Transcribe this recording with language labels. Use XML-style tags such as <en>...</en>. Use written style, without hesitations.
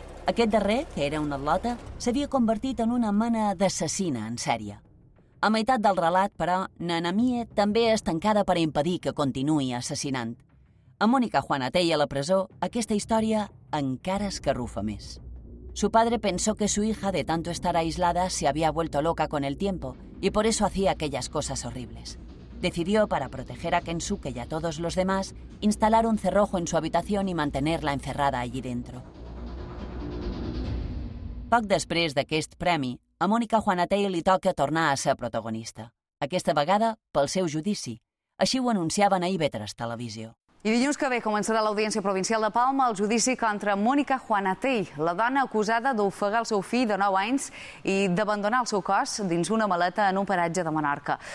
<ca>Aquest darrer, que era un atleta, s'havia convertit en una mena d'assassina en sèrie. A meitat del relat, però, na Namie també és tancada per impedir que continuï assassinant. A Mònica Juanatey a la presó, aquesta història encara escarrufa més.</ca> <es>Su padre pensó que su hija, de tanto estar aislada, se había vuelto loca con el tiempo y por eso hacía aquellas cosas horribles. Decidió, para proteger a Kensuke y a todos los demás, instalar un cerrojo en su habitación y mantenerla encerrada allí dentro.</es> <ca>Poc després d'aquest premi, a Mònica Juanatey li toca tornar a ser protagonista. Aquesta vegada, pel seu judici. A Així ho anunciaven a IB3 Televisió. I dilluns que ve començarà l'audiència provincial de Palma el judici contra Mònica Juanatell, la dona acusada d'ofegar el seu fill de 9 anys i d'abandonar el seu cos dins una maleta en un paratge de Menorca.</ca>